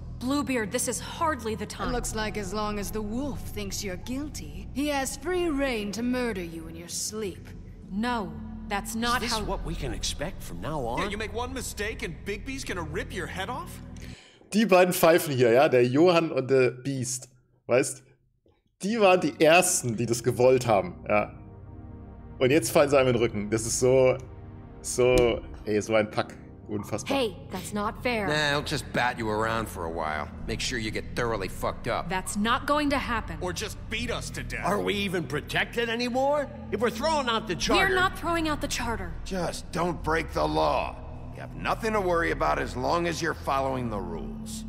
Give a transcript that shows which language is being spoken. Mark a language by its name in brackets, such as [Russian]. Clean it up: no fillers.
[English] Bluebeard, this is hardly the time. It looks like as long as the wolf thinks you're guilty, he has free rein to murder you in your sleep. No, that's not how... Is this what we can expect from now on? Yeah, you make one mistake and Bigby's gonna rip your head off? [German] Die beiden pfeifen hier, ja? Der Johann und der Beast. Weißt? Die waren die Ersten, die das gewollt haben, ja. Und jetzt fallen sie einem in den Rücken. Das ist so... So... Ey, es war ein Pack. Unfassbar. [English] Hey, that's not fair. Nah, he'll just bat you around for a while. Make sure you get thoroughly fucked up. That's not going to happen. Or just beat us to death. Are we even protected anymore? If we're throwing out the charter... We're not throwing out the charter. Just don't break the law. You have nothing to worry about as long as you're following the rules.